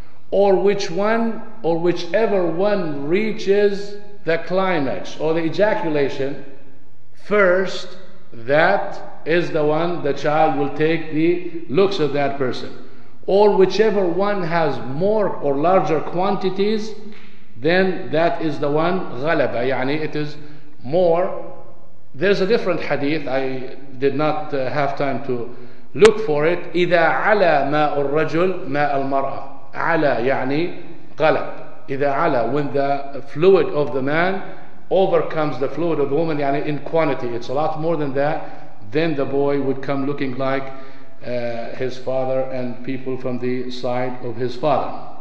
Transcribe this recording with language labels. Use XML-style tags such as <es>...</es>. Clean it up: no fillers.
<en>Or which one, or whichever one reaches the climax or the ejaculation first, that is the one the child will take the looks of that person. Or whichever one has more or larger quantities, then that is the one غلبة, يعني it is more. There's a different hadith, I did not have time to look for it.</en> <ar>إذا على ماء الرجل ماء المرأة. على يعني غلب. إذا على,</ar> <en>when the fluid of the man overcomes the fluid of the woman, يعني in quantity, it's a lot more than that, then the boy would come looking like his father and people from the side of his father.</en>